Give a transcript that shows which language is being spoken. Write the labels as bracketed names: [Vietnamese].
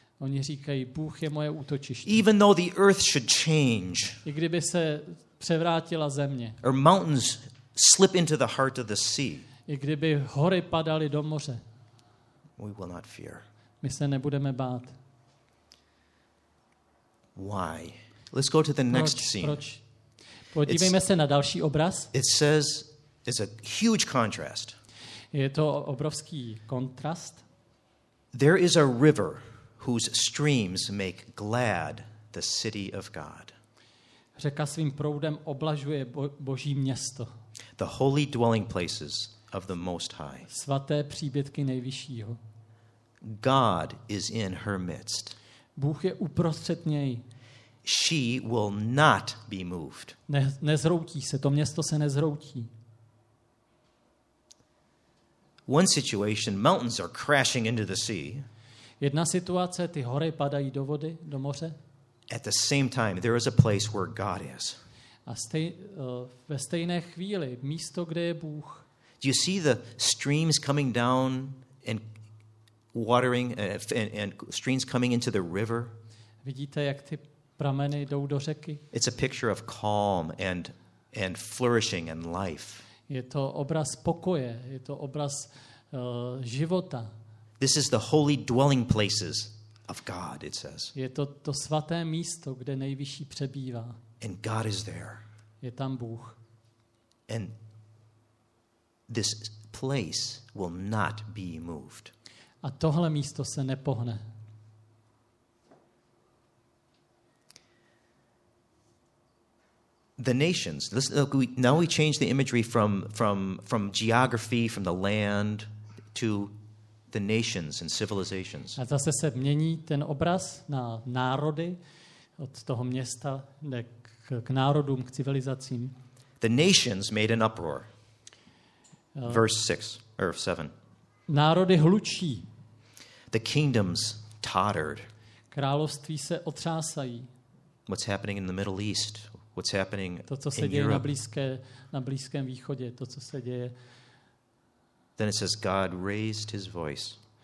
[Czech] Oni říkají, Bůh je moje útočiště. [English] Even though the earth should change. [Czech] I kdyby se převrátila země. [English] Or mountains slip into the heart of the sea. [Czech] I kdyby hory padaly do moře. [English] We will not fear. [Czech] My se nebudeme bát. [English] Why? Let's go to the next scene. [Czech] Proč? Podívejme se na další obraz. [English] It says it's a huge contrast. [Czech] Je to obrovský kontrast. [English] There is a river whose streams make glad the city of God. [Czech] Řeka svým proudem oblažuje Boží město. [English] The holy dwelling places of the Most High. [Czech] Svaté příbytky nejvyššího. [English] God is in her midst. [Czech] Bůh je uprostřed něj. [English] She will not be moved. [Czech] Nezhroutí se, to město se nezhroutí. [English] One situation, mountains are crashing into the sea. [Czech] Jedna situace, ty hory padají do vody, do moře. [English] At the same time, there is a place where God is. [Czech] A ve stejné chvíli, místo, kde je Bůh. [English] Do you see the streams coming down and watering and streams coming into the river? [Czech] Vidíte, jak ty prameny jdou do řeky? [English] It's a picture of calm and flourishing and life. [Czech] Je to obraz pokoje, je to obraz života. [English] This is the holy dwelling places of God, it says. [Czech] Je to to svaté místo, kde nejvyšší přebývá. [English] And God is there. [Czech] Je tam Bůh. [English] And this place will not be moved. [Czech] A tohle místo se nepohne. [English] The nations. Look, now we change the imagery from geography, from the land, to the nations and civilizations. [Czech] A zase se mění ten obraz na národy, od toho města k národům, k civilizacím. [English] The nations made an uproar. Verse 6, or 7. [Czech] Národy hlučí. [English] The kingdoms tottered. [Czech] Království se otřásají. [English] What's happening in the Middle East? What's happening in Europe? [Czech] To, co se děje na Blízkém východě, to, co se děje. [English] Then it says God raised his voice.